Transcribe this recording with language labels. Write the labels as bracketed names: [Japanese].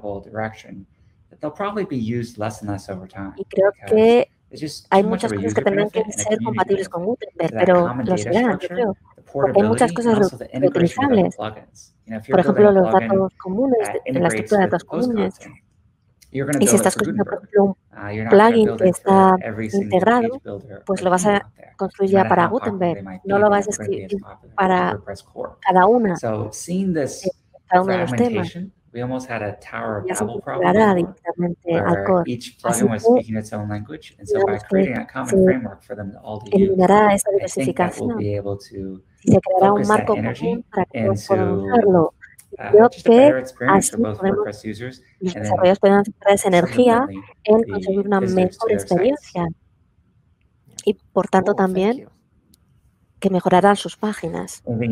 [English] They'll probably be used less and less over time. [Spanish] Y creo que hay muchas cosas que tendrán que ser compatibles con Gutenberg, pero los verán, yo creo. Porque hay muchas cosas reutilizables. Por ejemplo, los datos comunes, en la estructura de datos comunes. Y si estás construyendo, por ejemplo, un plugin que está integrado, pues lo vas a construir ya para Gutenberg. No lo vas a escribir para cada una. Cada uno de los temas. [English] We almost had a Tower of Babel problem where each plugin was speaking its own language, and so by creating a common framework for them all to use, I think that will be able to focus that energy into just a better experience for both WordPress users and then ultimately the visitors to their sites. [Spanish] Y por tanto también que mejorará sus páginas.